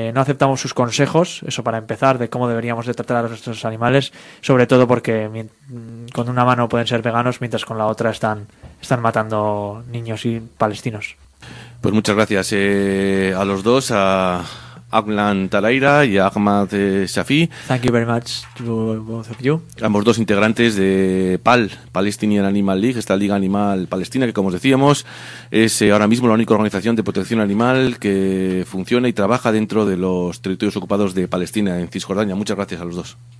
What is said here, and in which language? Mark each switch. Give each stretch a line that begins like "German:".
Spanish: No aceptamos sus consejos, eso para empezar, de cómo deberíamos de tratar a nuestros animales, sobre todo porque con una mano pueden ser veganos, mientras con la otra están matando niños y palestinos. Pues muchas gracias a los dos, a Aglan Talaira y Ahmad Shafi.
English: Thank you very much to both of you.
Spanish: Ambos dos integrantes de PAL, Palestinian Animal League, esta Liga Animal Palestina, que como os decíamos, es ahora mismo la única organización de protección animal que funciona y trabaja dentro de los territorios ocupados de Palestina en Cisjordania. Muchas gracias a los dos.